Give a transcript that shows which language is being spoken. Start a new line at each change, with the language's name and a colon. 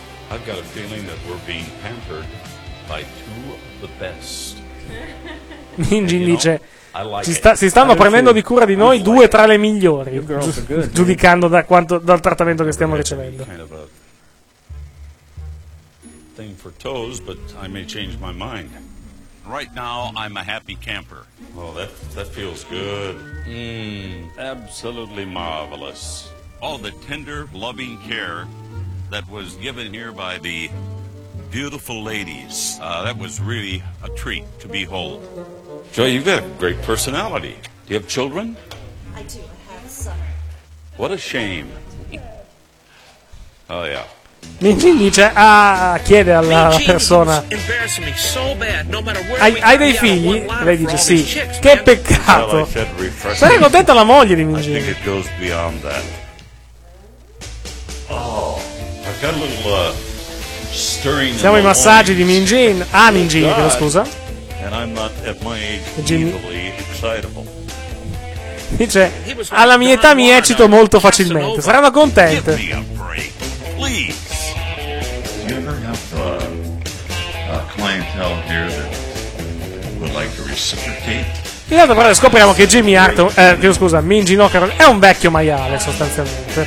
English: I've got a feeling that we're being pampered by two of the best.
Italian: Minji dice, si stanno prendendo di cura di noi due tra le migliori, giudicando da quanto, dal trattamento che stiamo ricevendo.
English: Kind of a thing for toes, but I may change my mind. Right now, I'm a happy camper. Oh, that feels good. Mmm, absolutely marvelous. All the tender, loving care that was given here by the beautiful ladies. That was really a treat to behold. Joy, you've got a great personality. Do you have children? I do. I have a son. What a shame. Oh, yeah.
Italian: Minji dice, ah, chiede alla persona, hai dei figli? Lei dice sì, che peccato. Sarei contenta la moglie di Minji.
English: I think it goes beyond that. Oh, I've got a little stirring.
Italian: Siamo ai massaggi di Minji. Ah, Minji, scusa.
English: And I'm not at my age easily excitable.
Italian: Dice, alla mia età mi eccito molto facilmente. Saranno contente. Di tanto però scopriamo che Jimmy Hart, scusa, Minji no Carol, è un vecchio maiale sostanzialmente.